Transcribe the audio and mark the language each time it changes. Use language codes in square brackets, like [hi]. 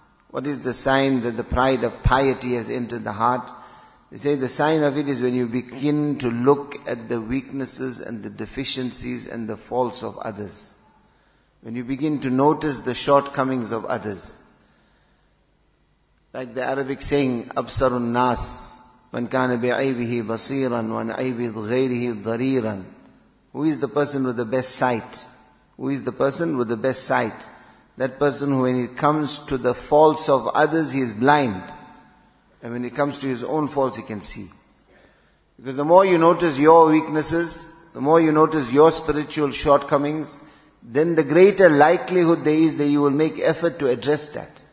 [en] What is the sign that the pride of piety has entered the heart? They say the sign of it is when you begin to look at the weaknesses and the deficiencies and the faults of others. When you begin to notice the shortcomings of others. [ar] Like the Arabic saying, أَبْصَرُ النَّاسِ مَنْ كَانَ بِعَيْبِهِ بَصِيرًا وَنْ عَيْبِهِ غَيْرِهِ ضَرِيرًا. [en] Who is the person with the best sight? Who is the person with the best sight? That person who, when it comes to the faults of others, he is blind. And when it comes to his own faults, he can see. Because the more you notice your weaknesses, the more you notice your spiritual shortcomings, then the greater likelihood there is that you will make effort to address that.